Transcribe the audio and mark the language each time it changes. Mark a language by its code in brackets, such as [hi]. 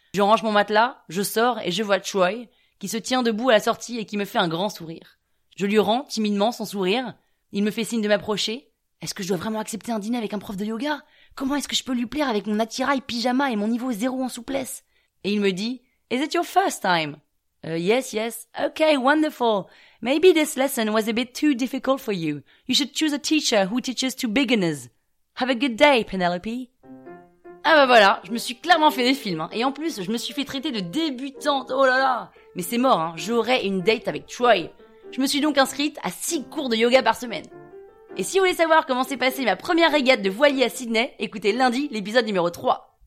[fr] Je range mon matelas, je sors et je vois Troy qui se tient debout à la sortie et qui me fait un grand sourire. Je lui rends timidement son sourire, il me fait signe de m'approcher. « Est-ce que je dois vraiment accepter un dîner avec un prof de yoga ?» Comment est-ce que je peux lui plaire avec mon attirail pyjama et mon niveau zéro en souplesse? Et il me dit, [en] Is it your first time? Yes. Okay, wonderful. Maybe this lesson was a bit too difficult for you. You should choose a teacher who teaches to beginners. Have a good day, Penelope. [fr] Ah bah voilà, je me suis clairement fait des films. Hein. Et en plus, je me suis fait traiter de débutante. Oh là là. Mais c'est mort, hein. J'aurai une date avec Troy. Je me suis donc inscrite à 6 cours de yoga par semaine. Et si vous voulez savoir comment s'est passée ma première régate de voilier à Sydney, écoutez lundi l'épisode numéro 3.